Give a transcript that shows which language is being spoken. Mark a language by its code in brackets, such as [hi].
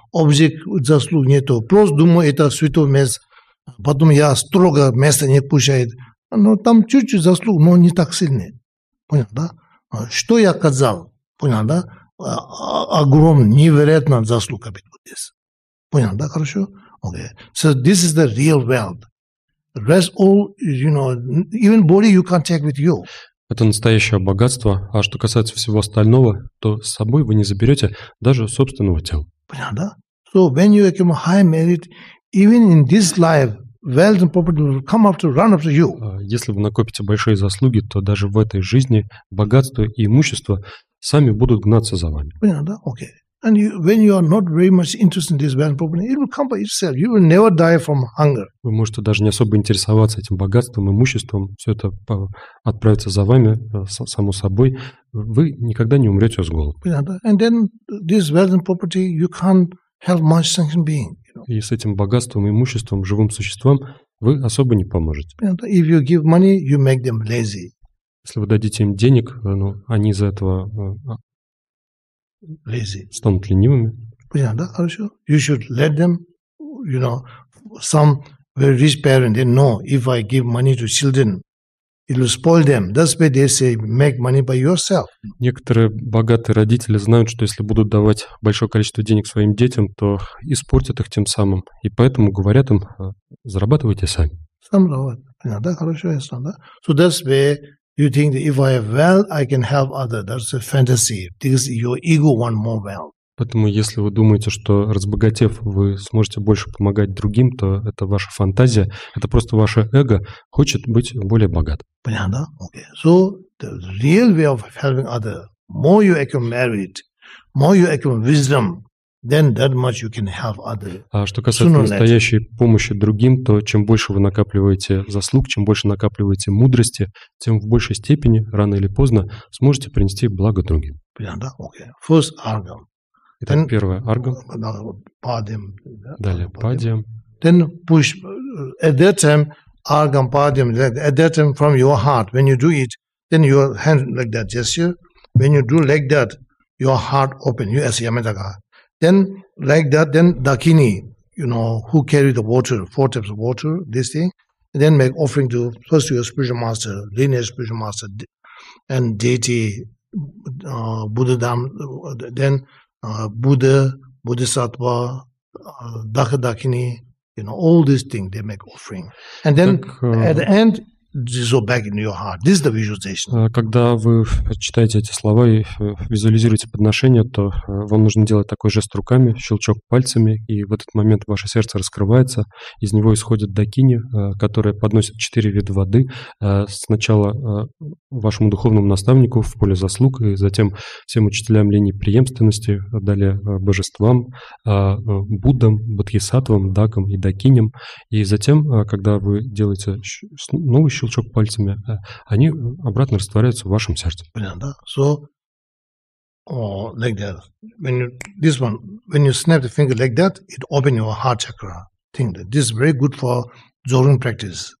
[ru] Объект заслуг нету. Просто думаю, это святой месяц. Потом я строго место не кушаю. Но там чуть-чуть заслуг, но не так сильный. Понял, да? Что я сказал? Понял, да? Огромный, невероятно заслуга перед Буддой. Понял, да, хорошо? [en] Okay. So this is the real wealth. Rest all, you know, even body you can't take with you. [ru] Это настоящее богатство. А что касается всего остального, то с собой вы не заберете даже собственного тела. Понял, да? [en] So when you become high merit, even in this life, wealth and property will come after, run after you. [ru] Если вы накопите большие заслуги, то даже в этой жизни богатство и имущество сами будут гнаться за вами. Понятно, да? Okay. [en] And you, when you are not very much interested in this wealth problem, it will come by itself. You will never die from hunger. [ru] Вы можете даже не особо интересоваться этим богатством, имуществом. Все это отправится за вами, само собой. Вы никогда не умрете с голода. Понятно, да? [en] And then this wealth and property, you can't help much sentient being. [ru] И с этим богатством, имуществом, живым существом вы особо не поможете. Понятно, да? [en] If you give money, you make them lazy. [ru] Если вы дадите им денег, ну, они из-за этого станут ленивыми. Понятно, да, хорошо? [en] You should let them, you know, some very rich parents, they know if I give money to children, или spoil them. That's why they say make money by yourself. [ru] Некоторые богатые родители знают, что если будут давать большое количество денег своим детям, то испортят их тем самым. И поэтому говорят им, зарабатывайте сами. Сам работать. Да, хорошо, ясно, да? [en] So that's where you think that if I have wealth, I can help others. That's a fantasy. Because your ego want more wealth. [ru] Поэтому, если вы думаете, что разбогатев, вы сможете больше помогать другим, то это ваша фантазия, это просто ваше эго хочет быть более богат. Понятно, да? Okay. [en] So the real way of helping other, more you accumulate merit, more you accumulate wisdom, then that much you can help other. [ru] А что касается настоящей помощи другим, то чем больше вы накапливаете заслуг, чем больше накапливаете мудрости, тем в большей степени рано или поздно сможете принести благо другим. Понятно, да? [en] Okay. First argum. [ru] Итак, then, первое, аргам. Падем. Далее, падем. [en] Then push. At that time, аргам, падем. At that time, from your heart, when you do it, then your hand like that gesture. When you do like that, your heart open. You as Yamataka. Then like that, then Dakini, you know, who carry the water, four types of water, this thing. And then make offering to, first to your spiritual master, lineage spiritual master, and deity, Buddha Dham, then Buddha, Bodhisattva, Dakha Dakini, you know, all these things, they make offering. And then at the end, dissolve back into your heart. This is the visualization. [ru] Когда вы читаете эти слова и визуализируете подношение, то вам нужно делать такой жест руками, щелчок пальцами, и в этот момент ваше сердце раскрывается, из него исходит дакини, которая подносит четыре вида воды. Сначала вашему духовному наставнику в поле заслуг, и затем всем учителям линии преемственности, далее божествам, Буддам, Бодхисаттвам, Дакам и Дакиням. И затем, когда вы делаете новый щелчок пальцами, они обратно растворяются в вашем сердце. Понятно, да? [en] So, like that. When you, this one, when you snap the finger like that, it opens your heart chakra. Think that this is very good for Dzogchen practice.